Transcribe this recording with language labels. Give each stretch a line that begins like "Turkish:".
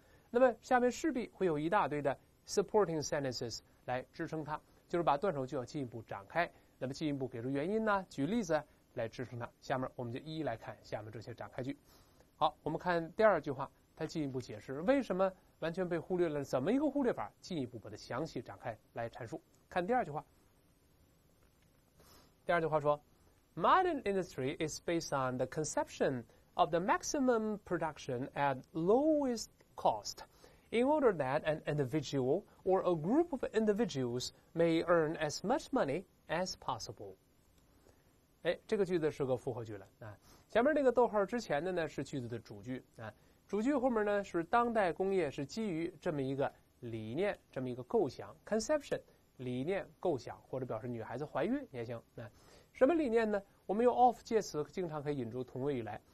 Chinese: 那么下面势必会有一大堆的supporting sentences 来支撑它，就是把断手句要进一步展开，那么进一步给出原因呢，举例子来支撑它。下面我们就一一来看下面这些展开句。好，我们看第二句话，它进一步解释为什么完全被忽略了，怎么一个忽略法，进一步把它详细展开来阐述。看第二句话，第二句话说
English: Modern industry is based on the conception of the maximum production at lowest cost. In order that an individual or a group of individuals may earn as much money as possible.
Chinese: 这个句子是个复合句了。前面那个逗号之前的呢是句子的主句。主句后面呢是当代工业是基于这么一个理念，这么一个构想 conception， 理念构想，或者表示女孩子怀孕也行。什么理念呢？我们用 of 介词经常可以引出同位语来，